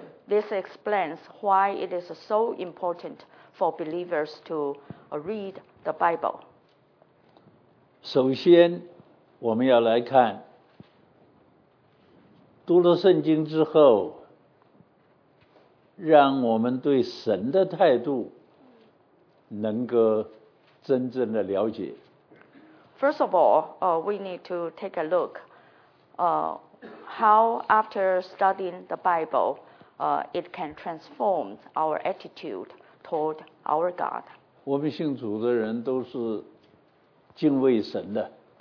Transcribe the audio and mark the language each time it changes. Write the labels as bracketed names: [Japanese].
[English] This explains why it is so important for believers to read the Bible. [Chinese] 首先我们要来看 读了圣经之后, 让我们对神的态度能够真正的了解。 [English] First of all, we need to take a look how after studying the Bible, it can transform our attitude toward our God. [Chinese] 我们信主的人都是敬畏神的。